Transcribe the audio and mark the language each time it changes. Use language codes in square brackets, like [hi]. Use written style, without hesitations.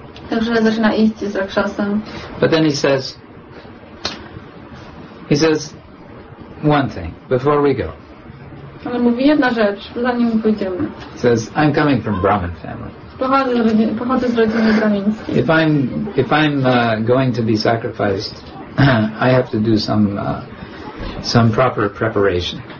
[pl] Także zaczyna iść z rakshasem. [en] But then he says, one thing before we go. [pl] Ale mówi jedna rzecz, zanim pójdziemy. [en] Says, I'm coming from Brahmin family. [pl] Pochodzę z rodziny brahmińskiej. [en] If I'm going to be sacrificed, I have to do some proper preparation.